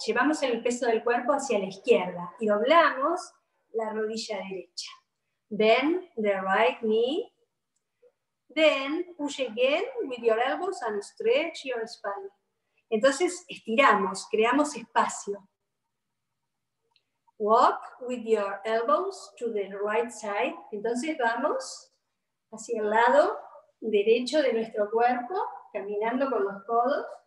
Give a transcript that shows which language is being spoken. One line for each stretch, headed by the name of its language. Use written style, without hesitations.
Spanish: Llevamos el peso del cuerpo hacia la izquierda y doblamos la rodilla derecha.
English: Bend the right knee. Then push again with your elbows and stretch your spine.
Spanish: Entonces estiramos, creamos espacio.
English: Walk with your elbows to the right side.
Spanish: Entonces vamos hacia el lado derecho de nuestro cuerpo, caminando con los codos.